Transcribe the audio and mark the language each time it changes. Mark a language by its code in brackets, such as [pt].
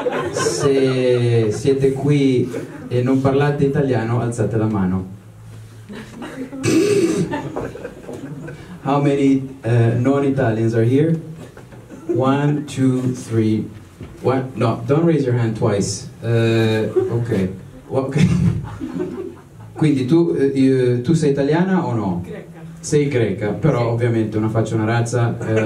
[it] Se siete qui e non parlate italiano, alzate la mano. [en] How many non-Italians are here? 1, 2, 3. One, no, don't raise your hand twice. Okay. [it] Quindi tu sei italiana o no? Greca. Sei greca, però sì. Ovviamente una faccia, una razza.